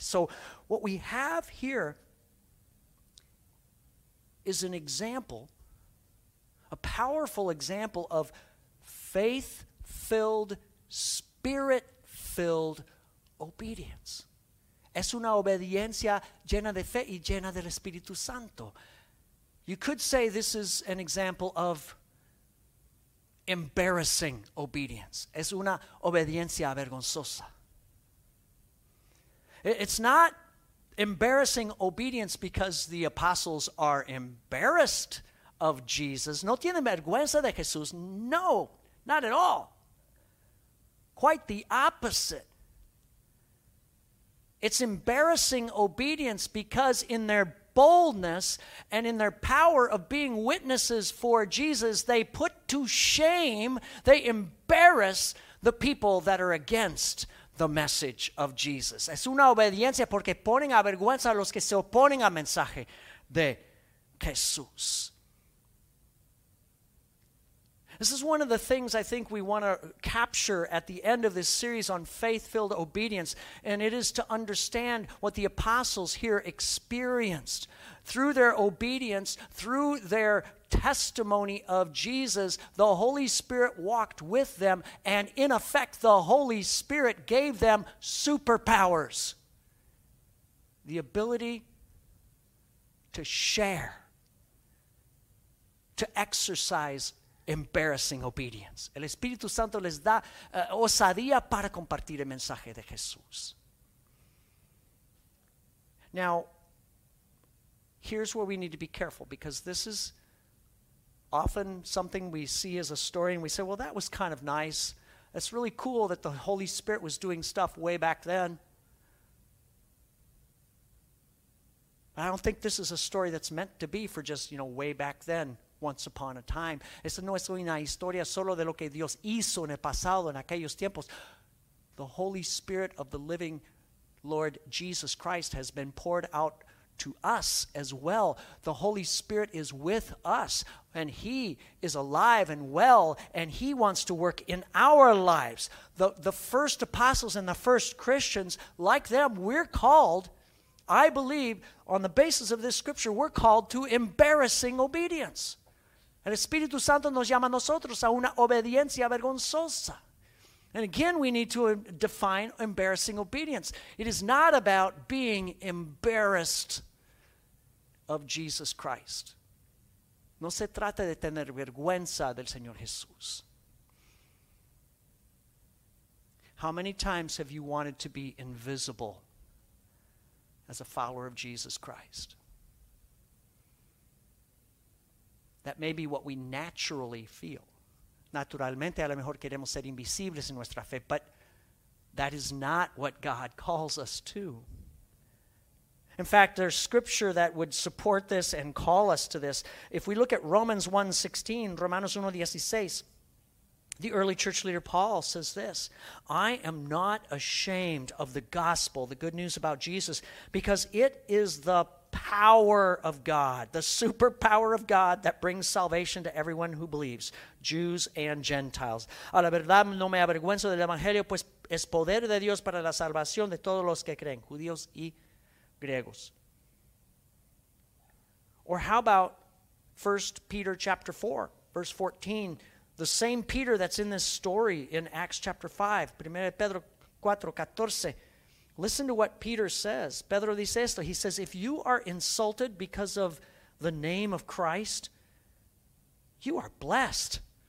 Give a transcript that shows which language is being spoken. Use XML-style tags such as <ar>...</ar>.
<en>So what we have here is an example, a powerful example of faith-filled, spirit-filled obedience.</en> <es>Es una obediencia llena de fe y llena del Espíritu Santo.</es> <en>You could say this is an example of embarrassing obedience.</en> <es>Es una obediencia vergonzosa.</es> <en>It's not embarrassing obedience because the apostles are embarrassed of Jesus.</en> <es>No tienen vergüenza de Jesús.</es> <en>No, not at all. Quite the opposite. It's embarrassing obedience because in their boldness and in their power of being witnesses for Jesus, they put to shame, they embarrass the people that are against the message of Jesus.</en> <es>Es una obediencia porque ponen a vergüenza a los que se oponen al mensaje de Jesús.</es> <en>This is one of the things I think we want to capture at the end of this series on faith-filled obedience, and it is to understand what the apostles here experienced through their obedience, through their testimony of Jesus. The Holy Spirit walked with them, and in effect, the Holy Spirit gave them superpowers, the ability to share, to exercise embarrassing obedience.</en> <es>El Espíritu Santo les da osadía para compartir el mensaje de Jesús.</es> <en>Now, here's where we need to be careful, because this is often something we see as a story and we say, well, that was kind of nice. That's really cool that the Holy Spirit was doing stuff way back then. I don't think this is a story that's meant to be for just, you know, way back then, once upon a time.</en> <es>Esta no es una historia solo de lo que Dios hizo en el pasado, en aquellos tiempos.</es> <en>The Holy Spirit of the living Lord Jesus Christ has been poured out to us as well. The Holy Spirit is with us, and He is alive and well, and He wants to work in our lives. The first apostles and the first Christians, like them, we're called, I believe, on the basis of this scripture, we're called to embarrassing obedience.</en> <es>El Espíritu Santo nos llama a nosotros a una obediencia vergonzosa.</es> <en>And again, we need to define embarrassing obedience. It is not about being embarrassed of Jesus Christ.</en> <es>No se trata de tener vergüenza del Señor Jesús.</es> <en>How many times have you wanted to be invisible as a follower of Jesus Christ? That may be what we naturally feel.</en> <es>Naturalmente, a lo mejor queremos ser invisibles en nuestra fe,</es> <en>but that is not what God calls us to. In fact, there's scripture that would support this and call us to this. If we look at Romanos 1:16, the early church leader Paul says this: I am not ashamed of the gospel, the good news about Jesus, because it is the power of God, the superpower of God that brings salvation to everyone who believes, Jews and Gentiles.</en> <es>A la verdad no me avergüenzo del evangelio, pues es poder de Dios para la salvación de todos los que creen, judíos y griegos.</es> <en>Or how about 1 Peter chapter 4, verse 14, the same Peter that's in this story in Acts chapter 5, 1 Pedro 4:14. Listen to what Peter says.</en> <es>Pedro dice esto.</es> <en>He says, if you are insulted because of the name of Christ, you are blessed.</en>